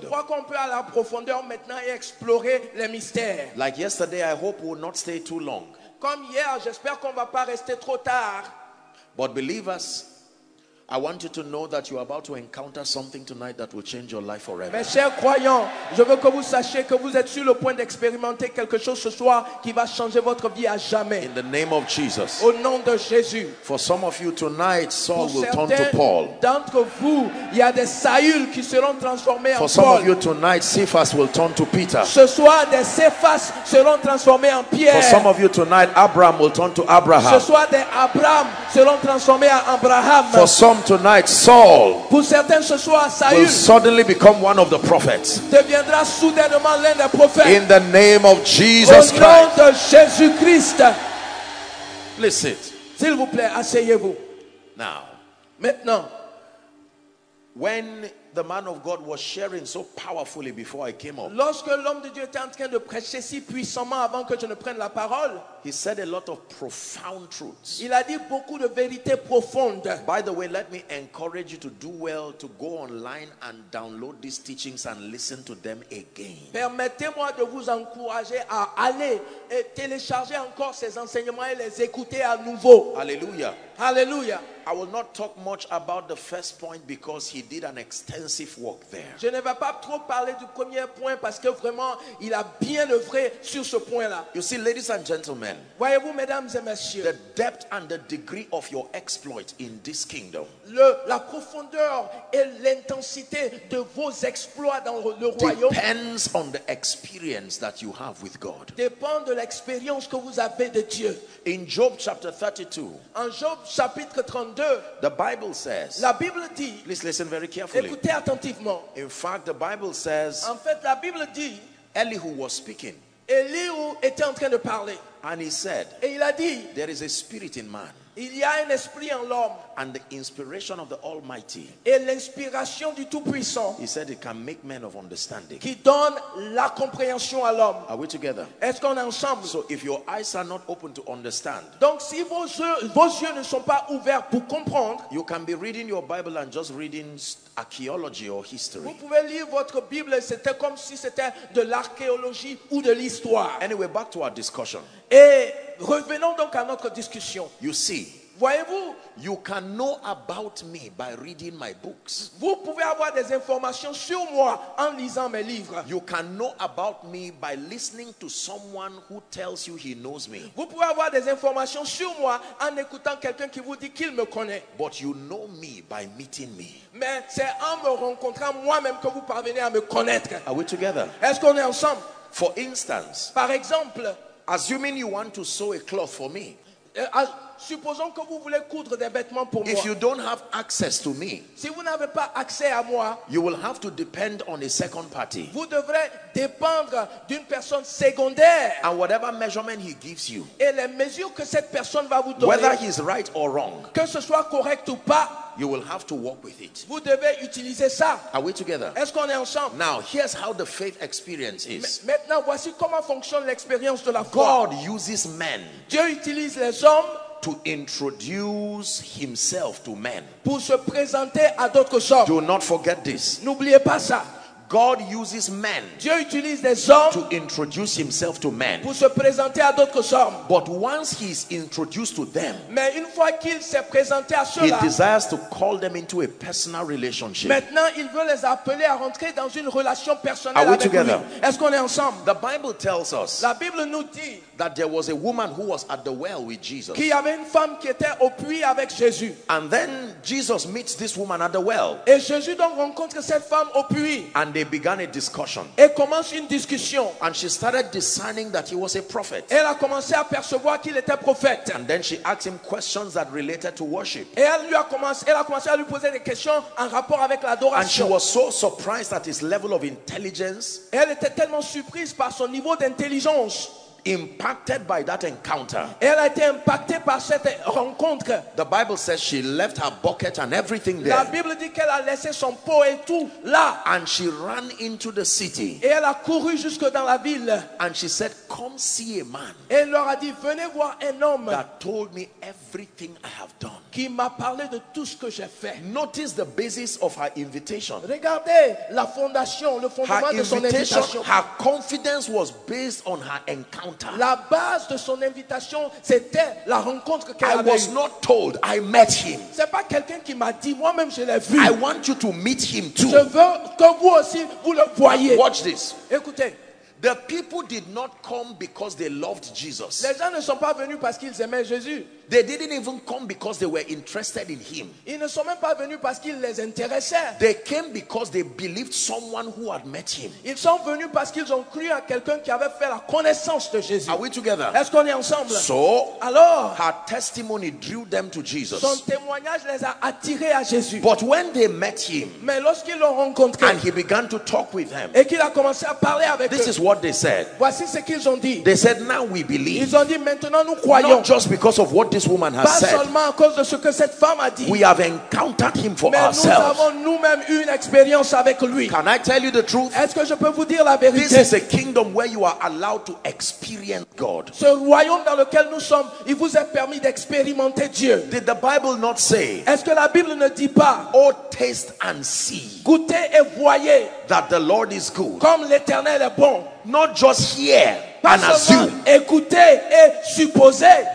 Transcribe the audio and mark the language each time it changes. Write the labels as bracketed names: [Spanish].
[French] Je crois qu'on peut aller en profondeur maintenant et explorer les mystères. [English] Like yesterday, I hope we will not stay too long. [French] Comme hier, j'espère qu'on va pas rester trop tard. [English] But believers, I want you to know that you are about to encounter something tonight that will change your life forever. [French] Mes chers croyants, je veux que vous sachiez que vous êtes sur le point d'expérimenter quelque chose ce soir qui va changer votre vie à jamais. [English] In the name of Jesus. [French] Au nom de Jésus. [English] For some of you tonight, Saul will turn to Paul. [French] D'entre vous, il y a des Saül qui seront transformés en Paul. [English] For some of you tonight, Cephas will turn to Peter. [French] Ce soir, des Cephas seront transformés en Pierre. [English] For some of you tonight, Abraham will turn to Abraham. [French] Ce soir, des Abraham seront transformés en Abraham. [English] For some tonight, Saul, [French] pour certains, ce soir, Saül [English] will suddenly become one of the prophets. [French] Deviendra soudainement l'un des prophètes. [English] In the name of Jesus Christ. [French] Au nom de Jésus Christ. [English] Please sit. [French] S'il vous plaît, asseyez-vous. [English] Now, [French] maintenant, [English] when the man of God was sharing so powerfully before I came up, [French] lorsque l'homme de Dieu était en train de prêcher si puissamment avant que je ne prenne la parole, [English] he said a lot of profound truths. [French] Il a dit beaucoup de vérités profondes. [English] By the way, let me encourage you to do well to go online and download these teachings and listen to them again. [French] Permettez-moi de vous encourager à aller et télécharger encore ces enseignements et les écouter à nouveau. Alléluia. [English] Hallelujah. I will not talk much about the first point because he did an extensive work there. [French] Je ne vais pas trop parler du premier point parce que vraiment il a bien œuvré sur ce point-là. [English] You see, ladies and gentlemen, [French] voyez-vous, mesdames et messieurs, [English] the depth and the degree of your exploit in this kingdom. [French] La profondeur et l'intensité de vos exploits dans le royaume [English] depends on the experience that you have with God. [French] Dépend de l'expérience que vous avez de Dieu. [English] In Job chapter 32. [French] En Job chapitre 32. [English] The Bible says. [French] La Bible dit. [English] Please listen very carefully. [French] Écoutez attentivement. [English] In fact, the Bible says. [French] En fait, la Bible dit. [English] Elihu was speaking. [French] Elihu était en train de parler. [English] And he said. [French] Et il a dit. [English] There is a spirit in man. [French] Il y a un esprit en l'homme. [English] And the inspiration of the Almighty. [French] Et l'inspiration du Tout-Puissant. [English] He said it can make men of understanding. [French] Qui donne la compréhension à l'homme. [English] Are we together? [French] Est-ce qu'on est ensemble? [English] So if your eyes are not open to understand. [French] Donc si vos yeux ne sont pas ouverts pour comprendre. [English] You can be reading your Bible and just reading archaeology or history. [French] Vous pouvez lire votre Bible, c'était comme si c'était de l'archéologie ou de l'histoire. [English] Anyway, back to our discussion. [French] Et revenons donc à notre discussion. [English] You see, [French] voyez-vous, [English] you can know about me by reading my books. [French] Vous pouvez avoir des informations sur moi en lisant mes livres. [English] You can know about me by listening to someone who tells you he knows me. [French] Vous pouvez avoir des informations sur moi en écoutant quelqu'un qui vous dit qu'il me connaît. [English] But you know me by meeting me. [French] Mais c'est en me rencontrant moi-même que vous parvenez à me connaître. [English] Are we together? [French] Est-ce qu'on est ensemble? [English] For instance, [French] par exemple, [English] assuming you want to sew a cloth for me. [French] Supposons que vous voulez coudre des vêtements pour moi. [English] If you don't have access to me, [French] si vous n'avez pas accès à moi, [English] you will have to depend on a second party. [French] Vous devrez dépendre d'une personne secondaire. [English] And whatever measurement he gives you, [French] et les mesures que cette personne va vous donner, [English] whether he's right or wrong, [French] que ce soit correct ou pas, [English] you will have to work with it. [French] Vous devez utiliser ça. [English] Are we together? [French] Est-ce qu'on est ensemble? [English] Now, here's how the faith experience is. [French] Maintenant, voici comment fonctionne l'expérience de la foi. [English] God uses men. [French] Dieu utilise les hommes. [English] To introduce himself to men. [French] Pour se présenter à d'autres hommes. [English] Do not forget this. [French] N'oubliez pas ça. [English] God uses men. [French] Dieu utilise des hommes. [English] To introduce himself to men. [French] Pour se présenter à d'autres hommes. [English] But once he is introduced to them. [French] Mais une fois qu'il s'est présenté à ceux-là. [English] He desires to call them into a personal relationship. [French] Maintenant, il veut les appeler à rentrer dans une relation personnelle. [English] Are we [French] avec [English] together? [French] Lui. Est-ce qu'on est ensemble? [English] The Bible tells us. [French] La Bible nous dit. [English] That there was a woman who was at the well with Jesus. [French] Qu'il y avait une femme qui était au puits avec Jésus. [English] And then Jesus meets this woman at the well. [French] Et Jésus donc rencontre cette femme au puits. [English] And they began a discussion. [French] Et commence une discussion. [English] And she started discerning that he was a prophet. [French] Elle a commencé à percevoir qu'il était prophète. [English] And then she asked him questions that related to worship. [French] Et elle a commencé à lui poser des questions en rapport avec l'adoration. [English] And she was so surprised at his level of intelligence. [French] Elle était tellement surprise par son niveau d'intelligence. [English] Impacted by that encounter. [French] Elle a été impactée par cette rencontre. [English] The Bible says she left her bucket and everything there. [French] La Bible dit qu'elle a laissé son pot et tout là. [English] And she ran into the city. [French] Et elle a couru jusque dans la ville. [English] And she said, come see a man. [French] Elle leur a dit, venez voir un homme. [English] That told me everything I have done. [French] Qui m'a parlé de tout ce que j'ai fait. [English] Notice the basis of her invitation. [French] Regardez la fondation, le fondement [English] her [French] de son invitation. [English] Her confidence was based on her encounter. [French] La base de son invitation, c'était la rencontre qu'elle avait. [English] I was not told, I met him. [French] C'est pas quelqu'un qui m'a dit, moi-même je l'ai vu. [English] I want you to meet him too. [French] Je veux que vous aussi vous le voyez. [English] Watch this. [French] Écoutez. [English] The people did not come because they loved Jesus. [French] Les gens ne sont pas venus parce qu'ils aimaient Jésus. [English] They didn't even come because they were interested in him. [French] Ils ne sont même pas venus parce qu'ils les intéressaient. [English] They came because they believed someone who had met him. [French] Ils sont venus parce qu'ils ont cru à quelqu'un qui avait fait la connaissance de Jésus. [English] Are we together? [French] Est-ce qu'on est ensemble? [English] So, [French] alors, [English] her testimony drew them to Jesus. [French] Son témoignage les a attirés à Jésus. [English] But when they met him, [French] mais lorsqu'ils l'ont rencontré, [English] and he began to talk with them, [French] et qu'il a commencé à parler avec [English] this [French] eux, [English] is what they said. [French] Voici ce qu'ils ont dit. [English] They said, now we believe. [French] Ils ont dit, maintenant nous croyons. [English] Not just because of what this woman has [French] pas [English] said. [French] Seulement à cause de ce que cette femme a dit. [English] We have encountered him for [French] mais nous [English] ourselves. [French] Avons nous-mêmes eu une expérience avec lui. [English] Can I tell you the truth? [French] Est-ce que je peux vous dire la vérité? [English] This is a kingdom where you are allowed to experience God. [French] Ce royaume dans lequel nous sommes, il vous est permis d'expérimenter Dieu. [English] Did the Bible not say? [French] Est-ce que la Bible ne dit pas? [English] Oh, taste and see. [French] Goûtez et voyez. [English] That the Lord is good. [French] Comme l'Éternel est bon. [English] Not just hear. [French] Pas [English] and assume. [French] Écouter et supposer.